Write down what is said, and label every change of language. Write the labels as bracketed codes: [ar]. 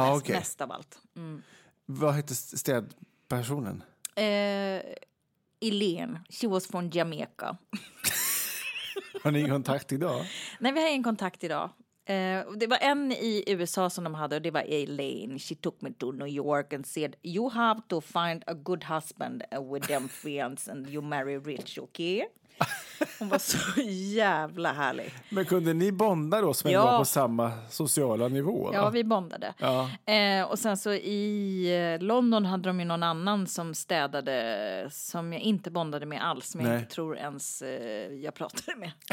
[sv] Mest av allt. Mm. Vad hette städpersonen? [en] Elaine. She was from Jamaica. [sv] Har ni kontakt idag? Nej, vi har ingen kontakt idag. Det var en i USA som de hade, och det var Elaine. [en] She took me to New York and said, you have to find a good husband with them friends and you marry rich, okay? [sv] Hon var så jävla härlig. Men kunde ni bonda då, som var på samma sociala nivå? Ja, va? Vi bondade. Ja. Och sen så i London hade de ju någon annan som städade, som jag inte bondade med alls, men jag tror ens jag pratade med.